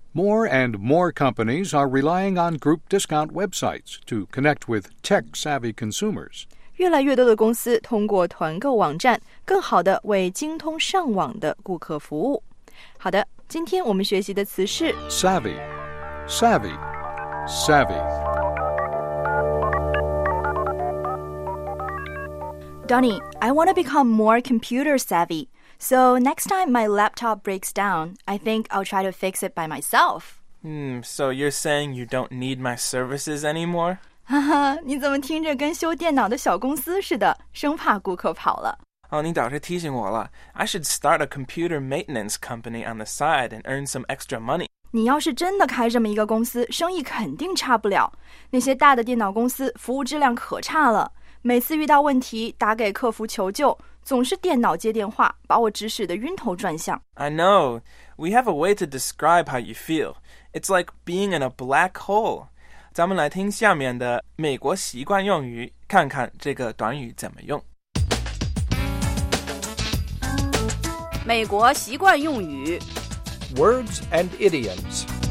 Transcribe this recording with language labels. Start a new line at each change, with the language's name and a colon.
English: More and more companies are relying on group discount websites to connect with tech-savvy consumers.
Chinese: 越来越多的公司通过团购网站更好地为精通上网的顾客服务。好的，今天我们学习的词是
English: savvy, savvy, savvy. Donny, I want to become more computer savvy. So next time my laptop breaks down, I think I'll try to fix it by myself. So you're saying you don't need my services anymore?
Chinese: 你怎么听着跟修电脑的小公司似的，生怕顾客跑了。你倒是提醒我了。
English: I should start a computer maintenance company on the side and earn some extra money.
Chinese: 你要是真的开这么一个公司，生意肯定差不了。那些大的电脑公司服务质量可差了。每次遇到问题打给客服求救，总是电脑接电话，把我指使得晕头转向。
English: I know. We have a way to describe how you feel. It's like being in a black hole.
Chinese: 咱们来听下面的美国习惯用语，看看这个短语怎么用。美国习惯用语
English: Words and idioms.